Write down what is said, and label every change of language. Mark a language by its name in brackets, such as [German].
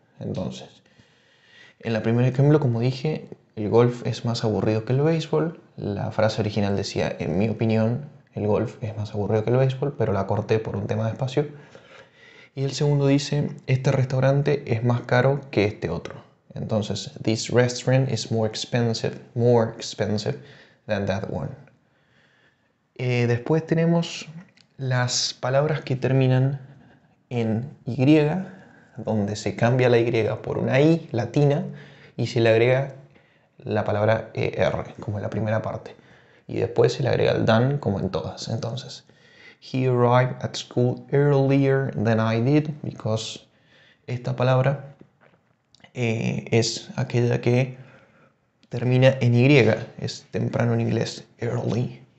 [Spanish] Entonces, en el primer ejemplo, como dije, el golf es más aburrido que el béisbol. La frase original decía, en mi opinión, el golf es más aburrido que el béisbol, pero la corté por un tema de espacio. Y el segundo dice, este restaurante es más caro que este otro. [English] Entonces, this restaurant is more expensive than that one. [Spanish] Después tenemos las palabras que terminan en Y, donde se cambia la Y por una I latina y se le agrega la palabra ER, como en la primera parte. Y después se le agrega el than, como en todas. Entonces, [English] he arrived at school earlier than I did, because [Spanish] esta palabra es aquella que termina en Y, es temprano en inglés, early.